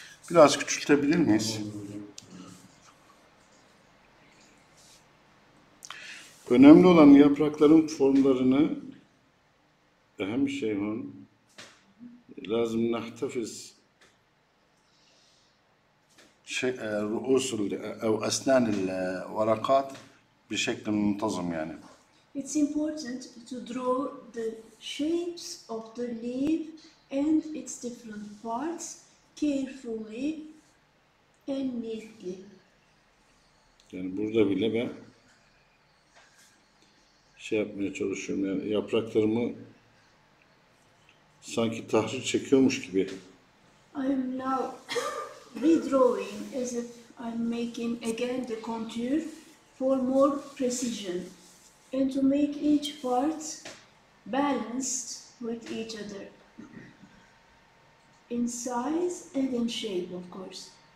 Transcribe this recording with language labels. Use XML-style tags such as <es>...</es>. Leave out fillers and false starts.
<tr>Biraz küçültebilir miyiz? Önemli olan yaprakların formlarını hem Şeyhun</tr> <ar>لازم نحتفظ رؤوس أو أسنان الورقات بشكل منتظم يعني.</ar> <en>It's important to draw the shapes of the leaf and its different parts carefully and neatly.</en> <tr>Yani burada bile ben şey yapmaya çalışıyorum yani yapraklarımı sanki tahrir çekiyormuş gibi.</tr> <en>I'm now redrawing as if I'm making again the contour for more precision and to make each part balanced with each other in size and in shape of course.</en>